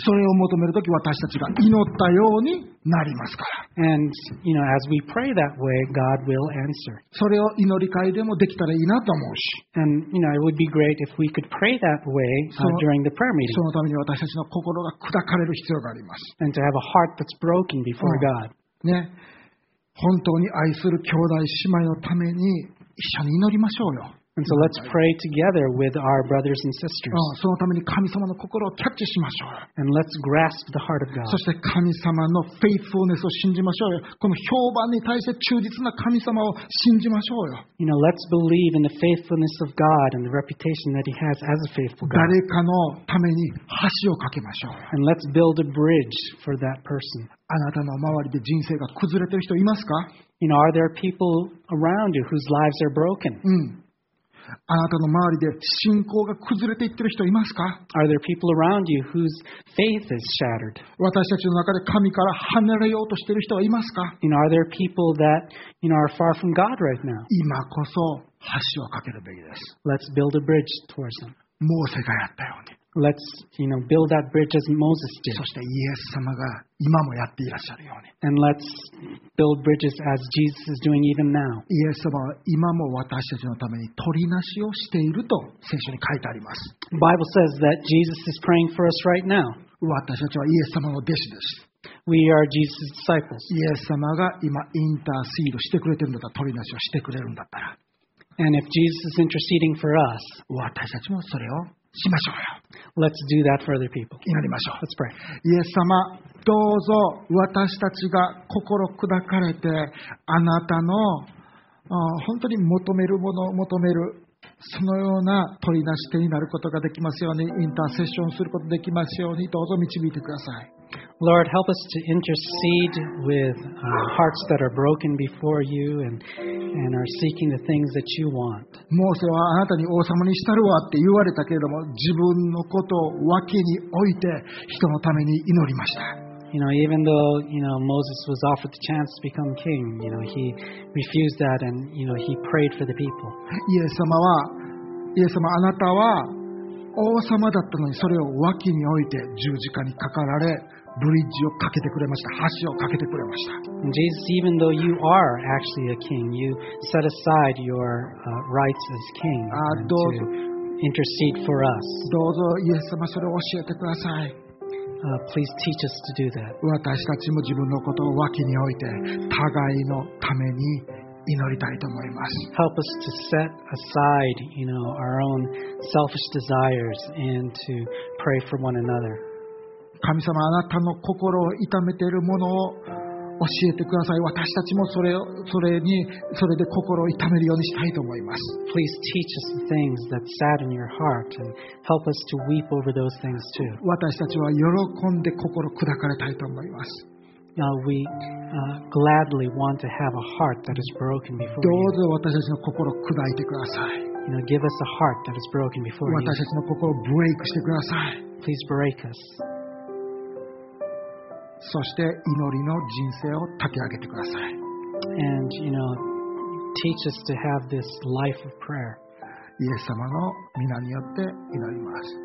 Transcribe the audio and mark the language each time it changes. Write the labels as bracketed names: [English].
[Japanese] それを求めるとき私たちが祈ったようになりますから。 [English] And, you know, as we pray that way, God will answer. [Japanese] それを祈り会でもできたらいいなと思うし。 [English] And, you know, it would be great if we could pray that way, during the prayer meeting. [Japanese] そのために私たちの心が砕かれる必要があります。 [English] And to have a heart that's broken before God. [Japanese] ね。本当に愛する兄弟姉妹のために一緒に祈りましょうよ。 [English] And so let's pray together with our brothers and sisters. [Japanese] そのために神様の心をキャッチしましょう。 [English] And let's grasp the heart of God. [Japanese] そして神様の faithfulness を信じましょうよ。この評判に対して忠実な神様を信じましょうよ。 [English] You know, let's believe in the faithfulness of God and the reputation that He has as a faithful God. [Japanese] 誰かのために橋を架けましょう。 [English] And let's build a bridge for that person. [Japanese] あなたの周りで人生が崩れてる人いますか？ [English] You know, are there people around you whose lives are broken? [Japanese] うん。あなたの周りで信仰が崩れていってる人いますか？ [English] Are there people around you whose faith is shattered? [Japanese] 私たちの中で神から離れようとしている人はいますか？ [English] You know, are there people that, you know, are far from God right now? [Japanese] 今こそ橋を架けるべきです。 [English] Let's build a bridge towards them. [Japanese] モーセがやったように。 [English] Let's, you know, build that bridge as Moses did. [Japanese] そしてイエス様が今もやっていらっしゃるように。 [English] And let's build bridges as Jesus is doing even now. [Japanese] イエス様は今も私たちのために取りなしをしていると聖書に書いてあります。 [English] Bible says that Jesus is praying for us right now. [Japanese] 私たちはイエス様の弟子です。 [English] We are Jesus' disciples. [Japanese] イエス様が今インターシードしてくれてるんだったら、取りなしをしてくれるんだったら。 [English] And if Jesus is interceding for us, [Japanese] 私たちもそれをしましょうよ。 [English] Let's do that for other people. [Japanese] 祈りましょう。 [English] Let's pray. [Japanese] イエス様、どうぞ私たちが心砕かれて、あなたの本当に求めるものを求める、そのような取りなし手になることができますように、インターセッションすることができますように、どうぞ導いてください。 [English] Lord, help us to intercede with hearts that are broken before you and are seeking the things that you want. [Japanese] モーセはあなたに王様にしたるわって言われたけれども、自分のことを脇に置いて人のために祈りました。 [English] You know, even though you know Moses was offered the chance to become king, you know he refused that and you know he prayed for the people. [Japanese] イエス様は、イエス様、あなたは王様だったのにそれを脇に置いて十字架にかかられ。ブリッジをかけてくれました。橋をかけてくれました。 [English] Jesus, even though you are actually a king, you set aside your rights as king to intercede for us. [Japanese] どうぞイエス様それを教えてください。 [English] Please teach us to do that. [Japanese] 私たちも自分のことを脇に置いて互いのために祈りたいと思います。 [English] Help us to set aside, you know, our own selfish desires and to pray for one another. [Japanese] 神様、あなたの心を痛めているものを教えてください。私たちもそれで心を痛めるようにしたいと思います。 [English] Please teach us the things that sadden your heart and help us to weep over those things too. [Japanese] 私たちは喜んで心砕かれたいと思います。 [English] Gladly want to have a heart that is broken before you. [Japanese] どうぞ私たちの心を砕いてください。 [English] You know, give us a heart that is broken before you. [Japanese] 私たちの心をブレイクしてください。 [English] Please break us. [Japanese] そして祈りの人生を立て上げてください。 [English] And, you know, teach us to have this life of prayer. [Japanese] イエス様の御名によって祈ります。